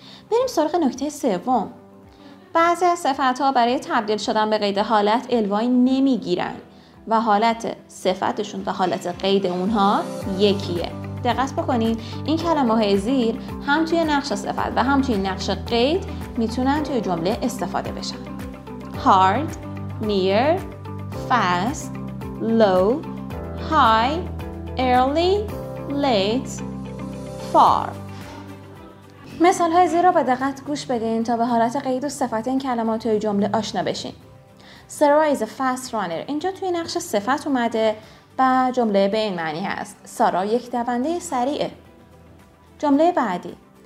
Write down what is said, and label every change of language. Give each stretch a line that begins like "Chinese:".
Persian: بریم سراغ نکته سوم. بعضی از صفت ها برای تبدیل شدن به قید حالت الوای نمیگیرن و حالت صفتشون و حالت قید اونها یکیه. دقت بکنین این کلمه های زیر هم توی نقش صفت و هم توی نقش قید میتونن توی جمله استفاده بشن.
English: hard near fast, low, high, early, late, far.
Persian: مثال های زیر رو با دقت گوش بدین تا به حالت قید و صفت این کلمات توی جمله آشنا بشین.
English: Sarah is a fast runner.
Persian: اینجا توی نقش صفت اومده و جمله به این معنی هست. سارا یک دونده سریعه. جمله بعدی.